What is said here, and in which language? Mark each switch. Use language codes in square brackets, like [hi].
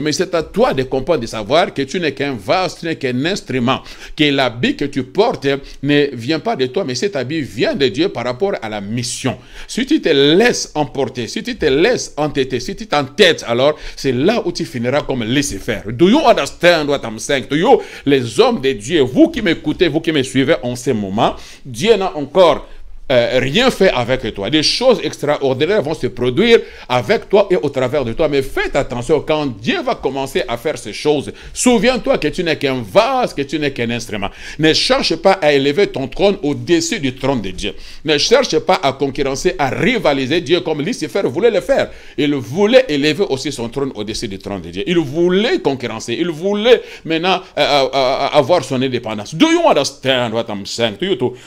[fr] Mais c'est à toi de comprendre, de savoir que tu n'es qu'un vase, tu n'es qu'un instrument, que l'habit que tu portes ne vient pas de toi, mais cet habit vient de Dieu par rapport à la mission. Si tu te laisses emporter, si tu te laisses entêter, si tu t'entêtes, alors c'est là où tu finiras comme Lucifer. [en] Do you understand what I'm saying to you? [fr] Les hommes de Dieu, vous qui m'écoutez, vous qui me suivez en ce moment, Dieu n'a encore rien fait avec toi. Des choses extraordinaires vont se produire avec toi et au travers de toi. Mais faites attention, quand Dieu va commencer à faire ces choses, souviens-toi que tu n'es qu'un vase, que tu n'es qu'un instrument. Ne cherche pas à élever ton trône au-dessus du trône de Dieu. Ne cherche pas à concurrencer, à rivaliser Dieu comme Lucifer voulait le faire. Il voulait élever aussi son trône au-dessus du trône de Dieu. Il voulait concurrencer. Il voulait maintenant avoir son indépendance. [en] Do you understand what I'm saying to you too?